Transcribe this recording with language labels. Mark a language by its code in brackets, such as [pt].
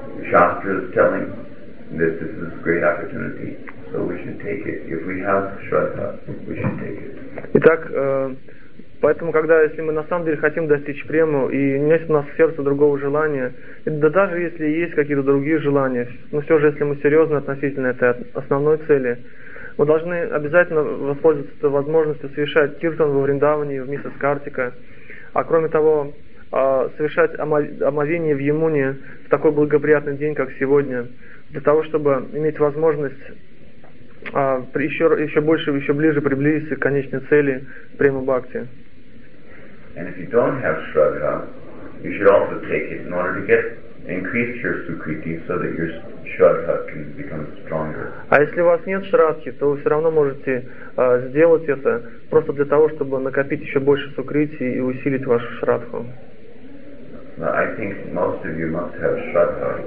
[en] Shastra is telling that this is a great opportunity, so we should take it. If we have Shraddha, we should take it. [ru] Итак, поэтому, когда, если мы на самом деле хотим достичь премы, и нет у нас в сердце другого желания, да даже если есть какие-то другие желания, но все же, если мы серьезны относительно этой основной цели, мы должны обязательно воспользоваться этой возможностью совершать киртан во Вриндаване, в Миссис Картика, а кроме того, совершать омовение в Ямуне в такой благоприятный день, как сегодня, для того, чтобы иметь возможность еще больше, еще ближе приблизиться к конечной цели премы Бхакти. [en] And if you don't have Shraddha, you should also take it in order to get increase your Sukriti so that your Shraddha can become stronger. [ru] А если у вас нет Шраддхи, то вы все равно можете сделать это просто для того, чтобы накопить еще больше Сукрити и усилить вашу Шраддху. [en] I think most of you must have Shraddha.